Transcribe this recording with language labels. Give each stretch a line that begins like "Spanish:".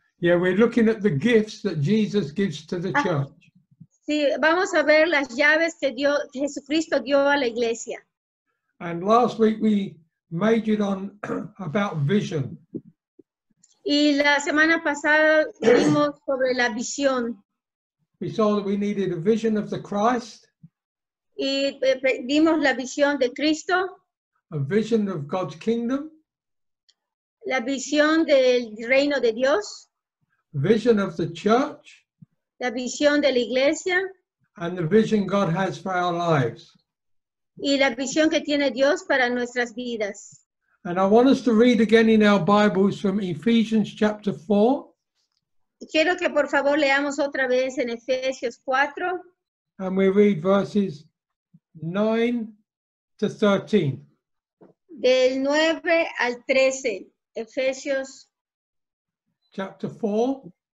English: Yeah, we're looking at the gifts that Jesus gives to the church.
Spanish: Sí, vamos a ver las llaves que dio Jesucristo dio a la iglesia.
English: And last week we majored on about vision.
Spanish: Y la semana pasada vimos sobre la visión.
English: We saw that we needed a vision of the Christ.
Spanish: Y vimos la visión de Cristo.
English: A vision of God's kingdom.
Spanish: La visión del reino de Dios.
English: Vision of the church.
Spanish: La visión de la iglesia.
English: And the vision God has for our lives.
Spanish: Y la visión que tiene Dios para nuestras vidas.
English: And I want us to read again in our Bibles from Ephesians chapter 4.
Spanish: Quiero que por favor leamos otra vez en Efesios 4.
English: And we read verses 9 to 13.
Spanish: Del 9 al 13. Efesios.
English: Chapter 4.